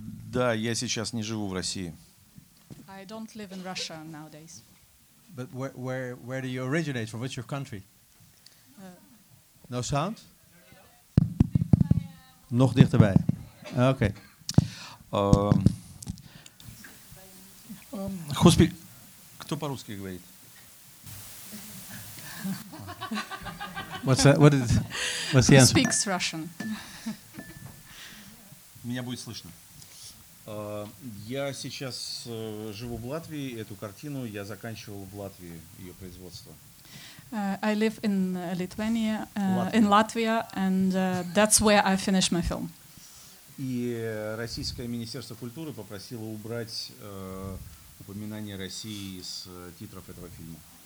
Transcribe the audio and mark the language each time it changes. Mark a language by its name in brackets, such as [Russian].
[Russian] Да, я сейчас не живу в России. [English] I don't live in Russia nowadays. But where do you originate from? What's your country? No sound? [Dutch] Nog dichterbij. Okay. [English] Who speaks? [Russian] Кто по-русски говорит? [English] What's that? What is? What's the who Who speaks Russian? [Russian] Меня будет слышно. Я сейчас живу в Латвии. Эту картину я заканчивал в Латвии ее производство. [English] I live in Lithuania, in Latvia, and that's where I finished my film. [Russian] И российское министерство культуры попросило убрать упоминание России из титров этого фильма.